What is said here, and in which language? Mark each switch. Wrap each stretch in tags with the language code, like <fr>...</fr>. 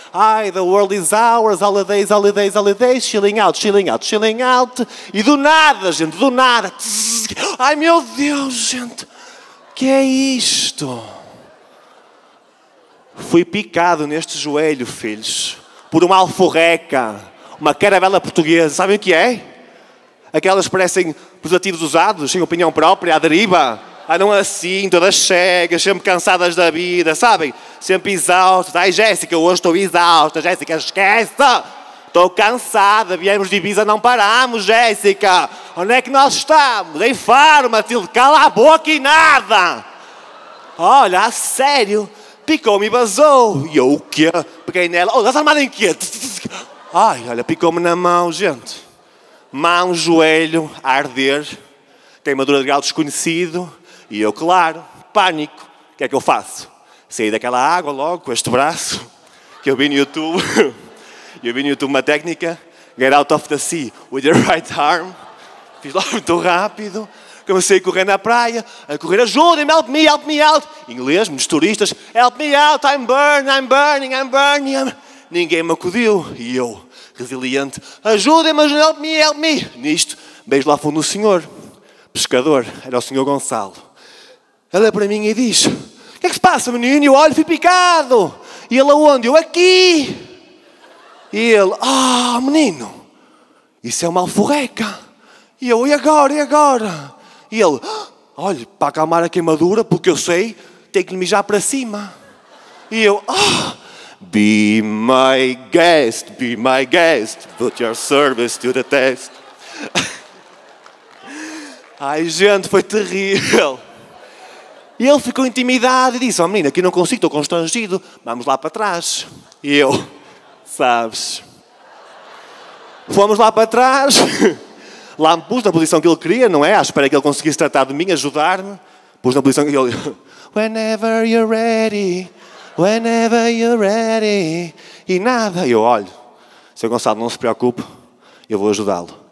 <en>Ai, the world is ours, holidays, holidays, holidays, chilling out, chilling out, chilling out.</en> <pt>E do nada, gente, do nada. Ai, meu Deus, gente, que é isto? Fui picado neste joelho, filhos, por uma alforreca, uma caravela portuguesa. Sabem o que é? Aquelas que parecem preservativos usados, sem opinião própria, à deriva. Andam assim, todas cegas, sempre cansadas da vida, sabem? Sempre exaustas. Ai, Jéssica, hoje estou exausta. Jéssica, esquece! Estou cansada. Viemos de Ibiza, não paramos, Jéssica. Onde é que nós estamos? Em Faro, Matilde. Cala a boca e nada! Olha, a sério. Picou-me e vazou. E eu o quê? Peguei nela. Oh, estás armada em quê? Ai, olha, picou-me na mão, gente. Mão, joelho, a arder. Queimadura de grau desconhecido. E eu, claro, pânico. O que é que eu faço? Saí daquela água logo, com este braço. Que eu vi no YouTube. Eu vi no YouTube uma técnica.</pt> <en>Get out of the sea with your right arm.</en> <pt>Fiz logo muito rápido. Comecei a correr na praia, a correr, ajudem-me,</pt> <en>help me, help me out.</en> <pt>Inglês, muitos turistas,</pt> <en>help me out, I'm burning, I'm burning, I'm burning.</en> <pt>Ninguém me acudiu. E eu, resiliente, ajudem-me,</pt> <en>help me, help me.</en> <pt>Nisto, beijo lá fundo o senhor, pescador, era o senhor Gonçalo. Ele é para mim e diz, o que é que se passa, menino? E eu olho, fui picado. E ele, aonde? Eu, aqui. E ele, ah, menino, isso é uma alforreca. E eu, e agora, e agora? E ele, olha, para acalmar a queimadura, porque eu sei, tem que mijar para cima.</pt> <en>E eu, oh, be my guest, put your service to the test.</en> <pt>Ai, gente, foi terrível. E ele ficou intimidado e disse, oh, menina, aqui não consigo, estou constrangido, vamos lá para trás. E eu, sabes, fomos lá para trás. Lá me pus na posição que ele queria, não é? À espera que ele conseguisse tratar de mim, ajudar-me. Pus na posição que ele...</pt> <en>Whenever you're ready, whenever you're ready.</en> <pt>E nada. E eu olho. Sr. Gonçalo, não se preocupe, eu vou ajudá-lo.</pt>